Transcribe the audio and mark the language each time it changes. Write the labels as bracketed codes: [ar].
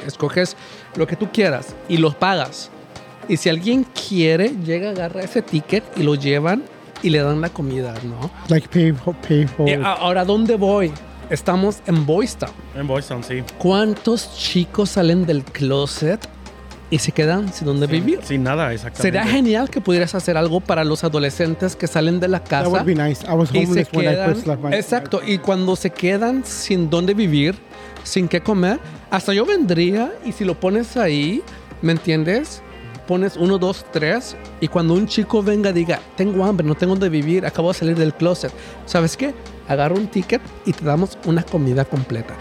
[es] Escoges lo que tú quieras y los pagas. Y si alguien quiere, llega, agarra ese ticket y lo llevan y le dan la comida, ¿no? [en] Like pay for. [es] Ahora, ¿dónde voy? Estamos en Boystown. En Boystown, sí. ¿Cuántos chicos salen del closet y se quedan sin dónde vivir? Sin nada, exactamente. Sería genial que pudieras hacer algo para los adolescentes que salen de la casa. [en] That would be nice. I was homeless when I first left my... [es] Exacto. Y cuando se quedan sin dónde vivir, sin qué comer, hasta yo vendría, y si lo pones ahí, ¿me entiendes? Pones 1, 2, 3, y cuando un chico venga, diga, tengo hambre, no tengo dónde vivir, acabo de salir del closet. ¿Sabes qué? Agarra un ticket y te damos una comida completa.